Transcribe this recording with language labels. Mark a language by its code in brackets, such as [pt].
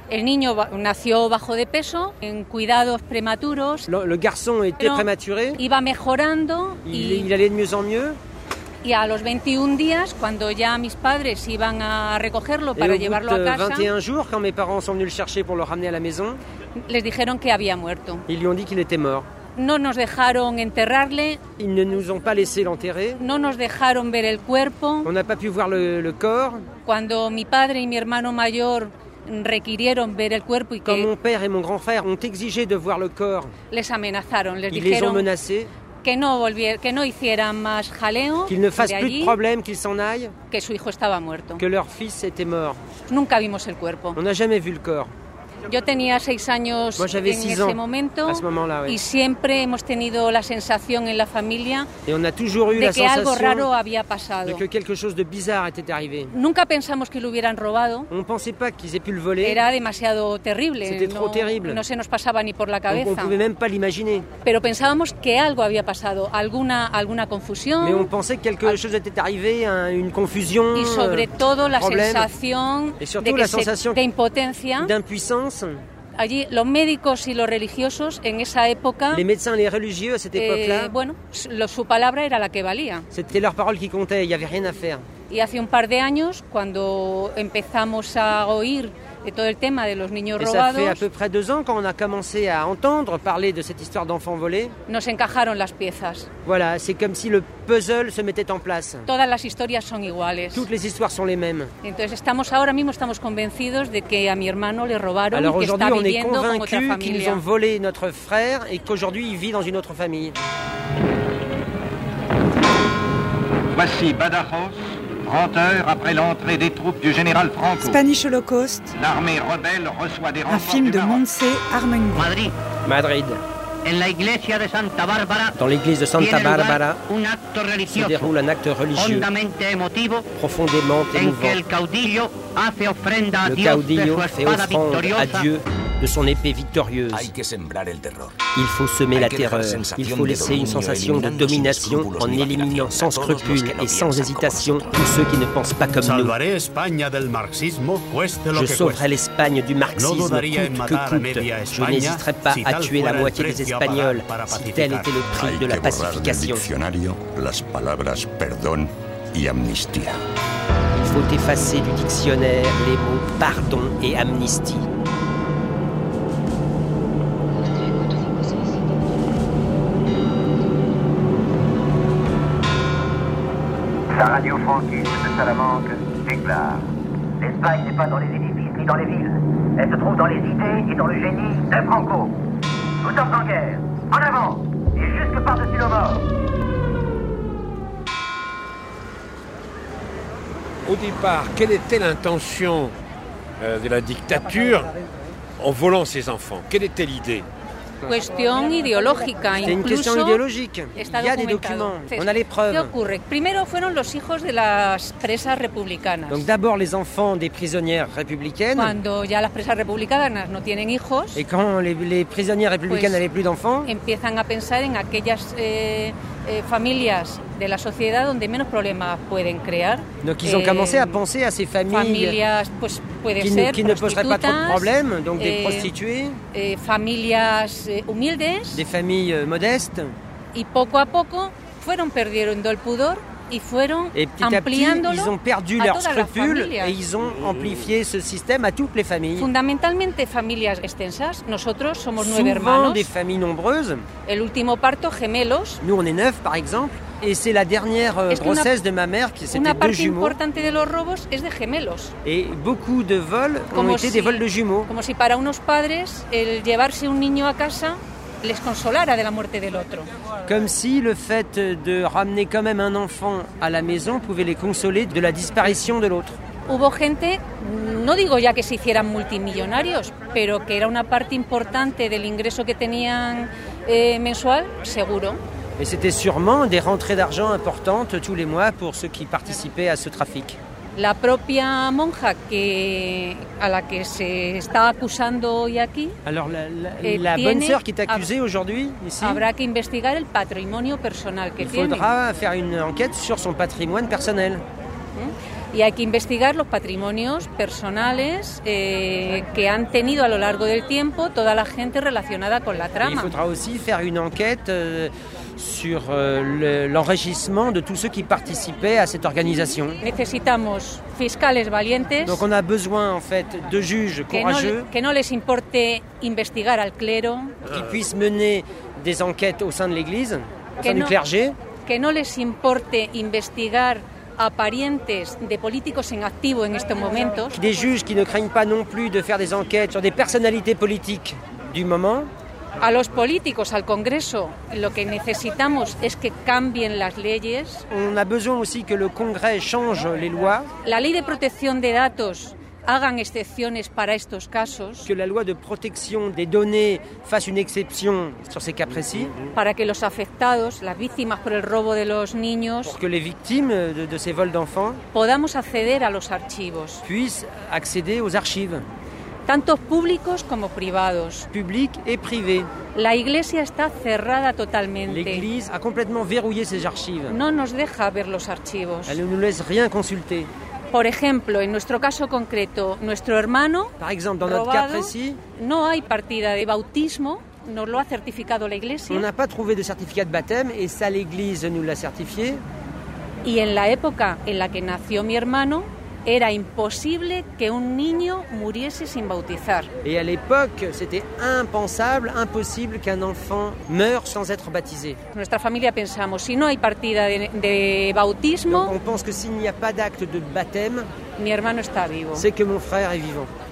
[es] El niño nació bajo de peso, en cuidados prématuros. [fr] Le garçon était prématuré. [es] Iba mejorando. [fr] Il allait de mieux en mieux. [es] Y a los 21 días, cuando ya mis padres iban a recogerlo [fr] et [es] para llevarlo a casa. [fr] 21 jours, quand mes parents sont venus le chercher pour le ramener à la maison. [es] Les dijeron que había muerto. [fr] Ils lui ont dit qu'il était mort. [es] No nos dejaron enterrarle. [fr] Ils ne nous ont pas laissé l'enterrer. [es] No nos dejaron ver el cuerpo. [fr] On n'a pas pu voir le corps. [es] Cuando mi padre y mi hermano mayor requirieron ver el cuerpo y que... [fr] Quand mon père et mon grand frère ont exigé de voir le corps. [es] Les amenazaron, les dijeron. [fr] Ils les ont menacés. [es] Que no hicieran más jaleo. [fr] Qu'ils ne fassent plus de problème, qu'ils s'en aillent. [es] Que su hijo estaba muerto. [fr] Que leur fils était mort. [es] Nunca vimos el cuerpo. [fr] On n'a jamais vu le corps. [es] Yo tenía seis años [fr] Moi, [es] en ese [fr] ans, [es] momento [fr] ouais. [es] Y siempre hemos tenido la sensación en la familia [fr] et on a toujours eu [es] de [fr] la [es] que algo raro había pasado. [fr] De que quelque chose de bizarre était arrivé. [es] Nunca pensamos que lo hubieran robado. [fr] On pensait pas qu'ils aient pu le voler. [es] Era demasiado terrible. [fr] C'était trop terrible. [es] No se nos pasaba ni por la cabeza. [fr] On pouvait même pas l'imaginer. [es] Pero pensábamos que algo había pasado, alguna confusión. [fr] Mais on pensait que quelque chose était arrivé, hein, une confusion. [es] Y sobre todo [fr] problème. [es] La sensación [fr] et surtout la sensation [es] de impotencia. [fr] D'impuissance. [es] allí los médicos y los religiosos en esa época... [fr] Les médecins, les religieux à cette époque-là... [es] Bueno, su palabra era la que valía. [fr] C'était leur parole qui comptait, il n'y avait rien à faire. [es] Y hace un par de años, cuando empezamos a oír de todo el tema de los niños robados... [fr] Et ça fait à peu près deux ans quand on a commencé à entendre parler de cette histoire d'enfants volés... [es] Nos encajaron las piezas. [fr] Voilà, c'est comme si le puzzle se mettait en place. [es] Todas las historias son iguales. [fr] Toutes les histoires sont les mêmes. [es] Entonces estamos ahora mismo estamos convencidos de que a mi hermano le robaron... [fr] Alors [es] y [fr] aujourd'hui [es] que está [fr] on est convaincus qu'ils ont volé notre frère et qu'aujourd'hui il vit dans une autre famille. Voici Badajoz. Rentreur après l'entrée des troupes du général Franco. [en] Spanish Holocaust. [fr] L'armée rebelle reçoit des renforts. Un film de Montse Armengol. Madrid. Madrid. [es] En la iglesia de Santa Bárbara. [fr] Dans l'église de Santa Bárbara. [es] Un acto religioso. [fr] Se déroule un acte religieux. [es] Hondamente emotivo. [fr] Profondément émouvant. [es] En que el caudillo hace ofrenda a Dios de su espada victoriosa. [fr] De son épée victorieuse. [es] Hay que sembrar el terror. [fr] Il faut semer la terreur. Il faut laisser une sensation de domination en éliminant sans scrupule et sans hésitation tous ceux qui ne pensent pas comme nous. Je sauverai l'Espagne du marxisme coûte que coûte. Je n'hésiterai pas à tuer la moitié des Espagnols si tel était le prix de la pacification. [es] Las palabras perdón y amnistía. [fr] Il faut effacer du dictionnaire les mots pardon et amnistie. La radio franquiste de Salamanque déclare « L'Espagne n'est pas dans les édifices ni dans les villes. Elle se trouve dans les idées et dans le génie de Franco. Nous sommes en guerre, en avant et jusque par-dessus le bord. » Au départ, quelle était l'intention de la dictature en volant ses enfants? Quelle était l'idée? [es] Cuestión ideológica. [fr] C'est une question idéologique. Il y a des documents, on a les preuves. [es] ¿Qué ocurre? Primero fueron los hijos de las presas republicanas. [fr] Donc d'abord les enfants des prisonnières républicaines. [es] Cuando ya las presas republicanas no tienen hijos. [fr] Et quand les prisonnières républicaines n'avaient plus d'enfants. [es] Empiezan a pensar en aquellas familias de la sociedad donde menos problemas pueden crear. [fr] Donc ils ont commencé à penser à ces familles [es] pues, [fr] qui ne poseraient pas trop de problèmes, donc des prostituées, [es] familias humildes, [fr] des familles modestes. [es] Y poco a poco fueron perdiendo el pudor y fueron ampliándolo. [fr] Ils ont perdu leur scrupule et ils ont amplifié ce système à toutes les familles. [es] Fundamentalmente familias extensas. Nosotros somos [fr] souvent [es] 9 hermanos. [fr] Des familles nombreuses. [es] El último parto gemelos. [fr] Nous on est 9 par exemple. Et c'est la dernière grossesse de ma mère qui s'était deux jumeaux. [es] Una parte importante de los robos es de gemelos. [fr] Et beaucoup de vols ont été des vols de jumeaux. [es] Como si para unos padres el llevarse un niño a casa les consolara de la muerte del otro. [fr] Comme si le fait de ramener quand même un enfant à la maison pouvait les consoler de la disparition de l'autre. [es] Hubo gente, no digo ya que se hicieran multimillonarios, pero que era una parte importante del ingreso que tenían mensual, seguro. [fr] Et c'était sûrement des rentrées d'argent importantes tous les mois pour ceux qui participaient à ce trafic. [es] La propia monja que, a la que se está acusando hoy aquí. [fr] Alors la [es] tiene, [fr] bonne sœur qui est accusée aujourd'hui ici. [es] Habrá que investigar el patrimonio personal que [fr] il [es] tiene. [fr] Il faudra faire une enquête sur son patrimoine personnel. [es] Y hay que investigar los patrimonios personales que han tenido a lo largo del tiempo toda la gente relacionada con la trama. [fr] Et il faudra aussi faire une enquête sur l'enrichissement de tous ceux qui participaient à cette organisation. [es] Necesitamos fiscales valientes. [fr] Donc on a besoin en fait de juges courageux. [es] Que no les importe investigar al clero. [fr] Qui puissent mener des enquêtes au sein de l'Église, au sein du clergé. [es] Que no les importe investigar a parientes de políticos en activo en estos momentos. [fr] Des juges qui ne craignent pas non plus de faire des enquêtes sur des personnalités politiques du moment. [es] A los políticos, al Congreso, lo que necesitamos es que cambien las leyes. [fr] On a besoin aussi que le Congrès change les lois. [es] La ley de protección de datos hagan excepciones para estos casos. [fr] Que la loi de protection des données fasse une exception sur ces cas précis. [es] Para que los afectados, las víctimas por el robo de los niños, [fr] pour que les victimes de ces vols d'enfants, [es] podamos acceder a los archivos. [fr] Puissent accéder aux archives. [es] Tanto públicos como privados. [fr] Public et privé. [es] La iglesia está cerrada totalmente. [fr] L'église a complètement verrouillé ses archives. [es] No nos deja ver los archivos. [fr] Elle ne nous laisse rien consulter. [es] Por ejemplo, en nuestro caso concreto, nuestro hermano, [fr] par exemple, dans notre cas précis, [es] no hay partida de bautismo, nos lo ha certificado la iglesia. [fr] On n'a pas trouvé de certificat de baptême et ça l'église nous l'a certifié. [es] Y en la época en la que nació mi hermano, era imposible que un niño muriese sin bautizar. [fr] Et à l'époque, c'était impensable, impossible qu'un enfant meure sans être baptisé. [es] Nuestra familia pensamos, si no hay partida de bautismo, [fr] on pense que s'il n'y a pas d'acte de baptême, [es] mi hermano está vivo. [fr] C'est que mon frère est vivant.